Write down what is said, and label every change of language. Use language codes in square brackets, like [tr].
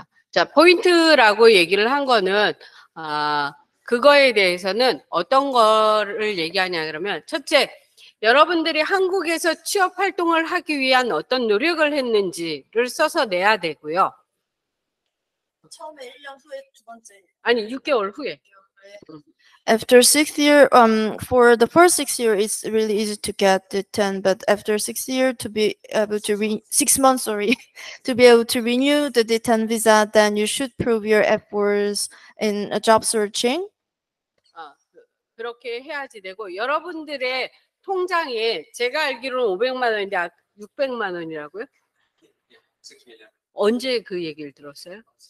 [ko] 자, 포인트라고 얘기를 한 거는 그거에 대해서는 어떤 거를 얘기하냐 그러면 첫째 여러분들이 한국에서 취업 활동을 하기 위한 어떤 노력을 했는지를 써서 내야 되고요. 처음에 1년 후에 두 번째. 아니, 6개월 후에. [en] After 6th year, for the first 6 year, it's really easy to get the 10, but after 6 year to be able to 6 months, sorry, to be able to renew the D10 visa, then you should prove your efforts in a job searching. [ko] 그렇게 해야지 되고 여러분들의 통장에 제가 알기로는 500만 원인데 600만 원이라고요? 언제 그 얘기를 들었어요?